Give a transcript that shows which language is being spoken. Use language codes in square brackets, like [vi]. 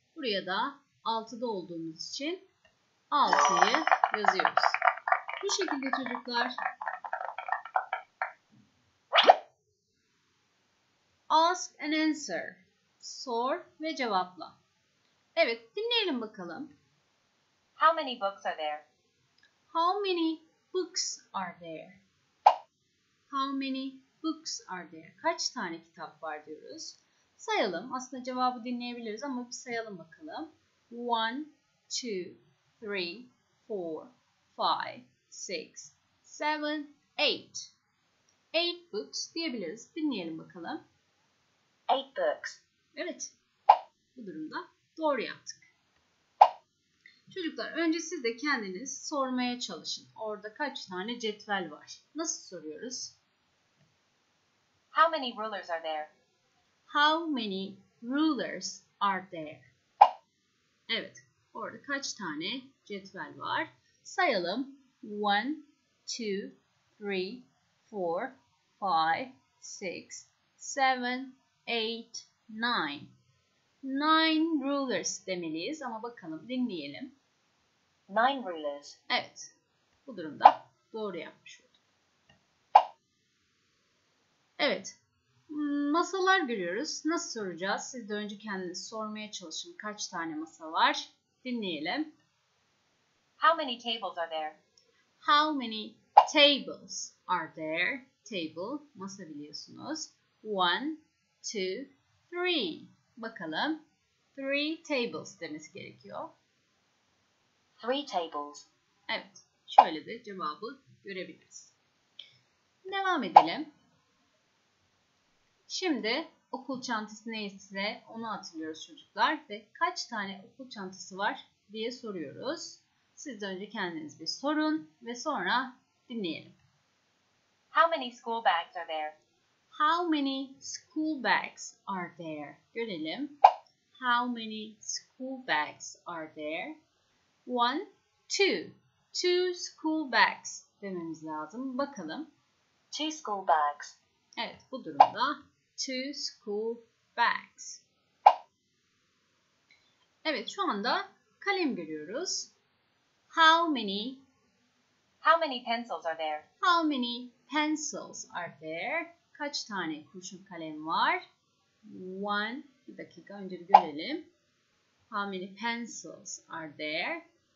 [tr] Buraya da 6'da olduğumuz için 6'yı yazıyoruz. Bu şekilde çocuklar. [en] Ask and answer. [tr] Sor ve cevapla. Evet, dinleyelim bakalım. [en] How many books are there? How many books are there? How many books are there? [tr] Kaç tane kitap var diyoruz. Sayalım. Aslında cevabı dinleyebiliriz ama bir sayalım bakalım. 1, 2, 3, 4, 5, 6, 7, 8. [en] 8 books [tr] diyebiliriz. Dinleyelim bakalım. [en] 8 books. [tr] Evet. Bu durumda doğru yaptık. Çocuklar önce siz de kendiniz sormaya çalışın. Orada kaç tane cetvel var? Nasıl soruyoruz? [en] How many rulers are there? How many rulers are there? [tr] Evet. Orada kaç tane cetvel var? Sayalım. 1, 2, 3, 4, 5, 6, 7, 8, 9. [en] 9 rulers [tr] demeliyiz ama bakalım dinleyelim. [en] 9 rulers. [tr] Evet. Bu durumda doğru yapmış olduk. Evet. Masalar görüyoruz. Nasıl soracağız? Siz de önce kendiniz sormaya çalışın. Kaç tane masa var? Dinleyelim. [en] How many tables are there? How many tables are there? [tr] Table, masa biliyorsunuz. 1, 2, 3. Bakalım. [en] 3 tables [tr] demesi gerekiyor. [en] 3 tables. [tr] Evet. Şöyle de cevabı görebiliriz. Devam edelim. Şimdi okul çantası neyse onu hatırlıyoruz çocuklar ve kaç tane okul çantası var diye soruyoruz. Siz de önce kendiniz bir sorun ve sonra dinleyelim. [en] How many school bags are there? How many school bags are there? [tr] Görelim. [en] How many school bags are there? [tr] 1, 2. [en] 2 school bags [tr] dememiz lazım. Bakalım. [en] 2 school bags. [tr] Evet, bu durumda [en] 2 school bags. [tr] Evet, şu anda kalem görüyoruz. [en] How many pencils are there? How many pencils are there? [tr] Kaç tane kurşun kalem var? 1, bir dakika önce bir görelim. [en] How many pencils are there?